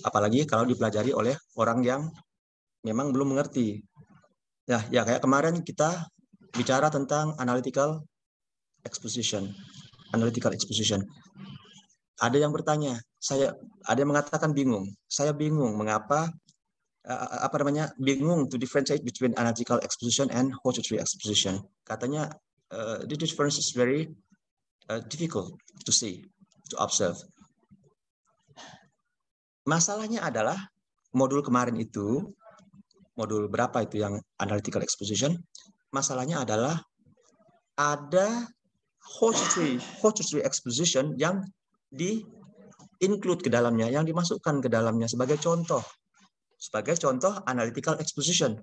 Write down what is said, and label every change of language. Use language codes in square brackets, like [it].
[id] Apalagi kalau dipelajari oleh orang yang memang belum mengerti. Ya, ya kayak kemarin kita bicara tentang analytical exposition. Analytical exposition. Ada yang bertanya, saya ada yang mengatakan bingung. Saya bingung mengapa apa namanya? [en] Bingung to differentiate between analytical exposition and whole tree exposition. Katanya the difference is very difficult to see, to observe. [id] Masalahnya adalah modul kemarin itu, modul berapa itu yang analytical exposition? Masalahnya adalah ada whole tree exposition yang di include ke dalamnya, yang dimasukkan ke dalamnya sebagai contoh analytical exposition.